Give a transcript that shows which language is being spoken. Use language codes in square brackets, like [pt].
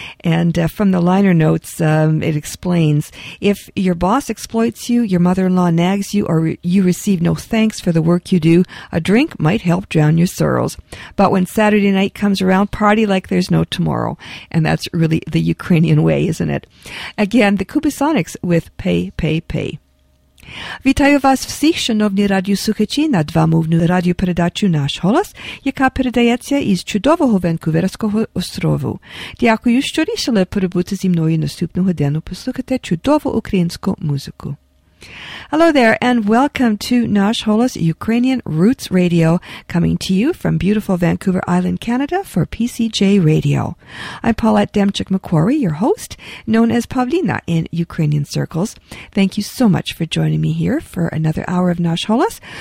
[en] And from the liner notes, it explains, if your boss exploits you, your mother-in-law nags you, or you receive no thanks for the work you do, a drink might help drown your sorrows. But when Saturday night comes around, party like there's no tomorrow. And that's really the Ukrainian way, isn't it? Again, the Coopasonics with Pay, Pay, Pay. [uk] Вітаю вас всіх, шановні радіослухачі, на двомовну радіопередачу «Наш голос», яка передається із чудового Ванкуверського острову. Дякую, що рішили перебути зі мною наступну годину, послухати чудову українську музику. [en] Hello there, and welcome to Nash Hola's Ukrainian Roots Radio, coming to you from beautiful Vancouver Island, Canada, for PCJ Radio. I'm Paulette Demchuk-McQuarrie, your host, known as Pavlina in Ukrainian circles. Thank you so much for joining me here for another hour of Nash Hola's.